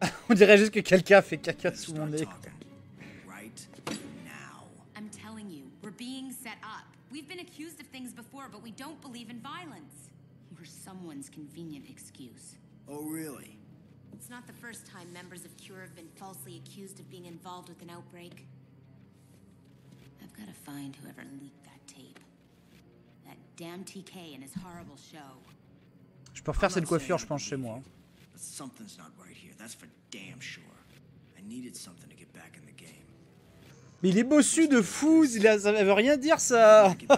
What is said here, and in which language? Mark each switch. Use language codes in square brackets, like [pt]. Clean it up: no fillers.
[fr] On dirait juste que quelqu'un fait caca sous mon nez. [en] Right now. I'm telling you, we're being set up. We've been accused of things before, but we don't believe in violence. We're someone's convenient excuse. Oh, really? It's not the first time members of Cure have been falsely accused of being involved with an outbreak. I've got to find whoever leaked that tape. That damn TK and his horrible show. [fr] Je peux refaire cette coiffure, je pense, chez moi. [en] Something's not right here, that's for damn sure. I needed something to get back in the game. [fr] Mais il est bossu de fou, ça veut rien dire, ça.